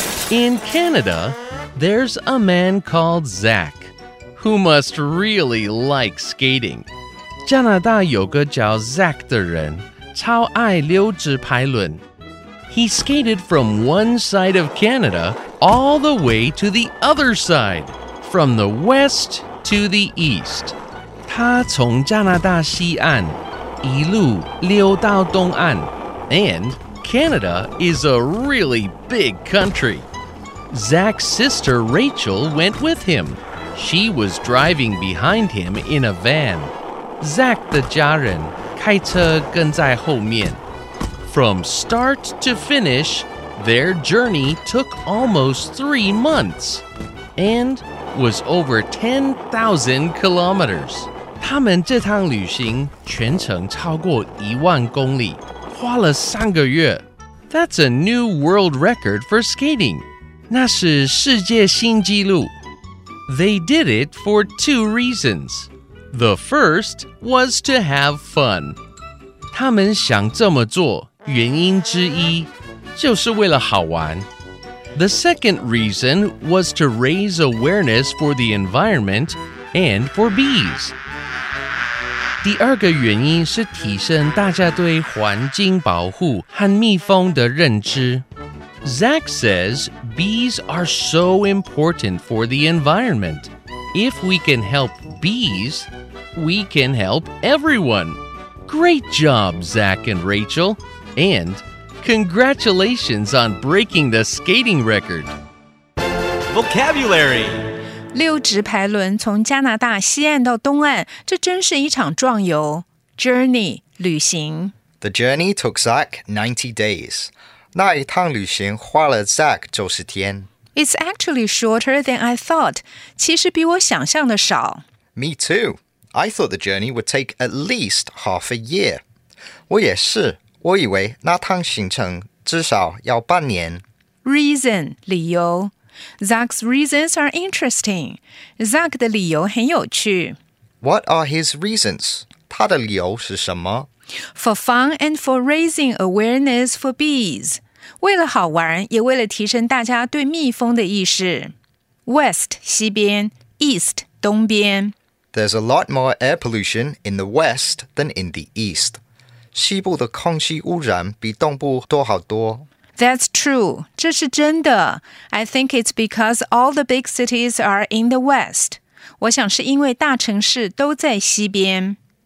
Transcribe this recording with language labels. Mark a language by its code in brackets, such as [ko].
[en] In Canada, there's a man called Zach, who must really like skating. [zh] 加拿大有个叫 Zach 的人，超爱溜直排轮。 [en] He skated from one side of Canada all the way to the other side, from the west to the east. [zh] 他从加拿大西岸一路溜到东岸。 [en] And Canada is a really big country. Zach's sister Rachel went with him. She was driving behind him in a van. [zh] Zach 的家人开车跟在后面。 [en] From start to finish, their journey took almost 3 months and was over 10,000 kilometers. [zh] 他们这趟旅行全程超过一万公里，花了三个月。 [en] That's a new world record for skating. [zh] 那是世界新纪录。 [en] They did it for two reasons. The first was to have fun. [zh] 他们想这么做原因之一就是为了好玩。 [en] The second reason was to raise awareness for the environment and for bees. [zh] 第二个原因是提升大家对环境保护和蜜蜂的认知。 [en] Zach says bees are so important for the environment. If we can help bees, we can help everyone. Great job, Zach and Rachel! And congratulations on breaking the skating record. Vocabulary. [zh] 溜直排轮从加拿大西岸到东岸，这真是一场壮游。 Journey, 旅行。 [en] The journey took Zach 90 days. [zh] 那一趟旅行花了 Zach 90天。 [en] It's actually shorter than I thought. [zh] 其实比我想象的少。 [en] Me too. I thought the journey would take at least half a year. [zh] 我也是。我以为那趟行程至少要半年。 [en] Reason, 理由。Zach's reasons are interesting. [zh] Zach 的理由很有趣。 [en] What are his reasons? [zh] 他的理由是什么? [en] For fun and for raising awareness for bees. [zh] 为了好玩，也为了提升大家对蜜蜂的意识。 [en] West, 西边。East, 东边。 There's a lot more air pollution in the west than in the east. [zh] 西部的空气污染比东部多好多。 [en] That's true, [zh] 这是真的。 [en] I think it's because all the big cities are in the west. [zh] 我想是因为大城市都在西边。